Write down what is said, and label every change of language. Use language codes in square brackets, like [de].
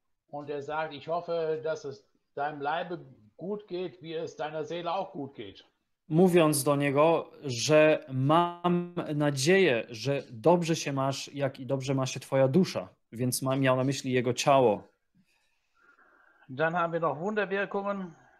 [de] Und er sagt, ich hoffe, dass es deinem Leibe gut geht, wie es deiner Seele auch gut geht. [pl] Mówiąc do niego, że mam nadzieję, że dobrze się masz, jak i dobrze ma się twoja dusza, więc miał na myśli jego ciało. [de] Dann haben wir noch Wunderwirkungen.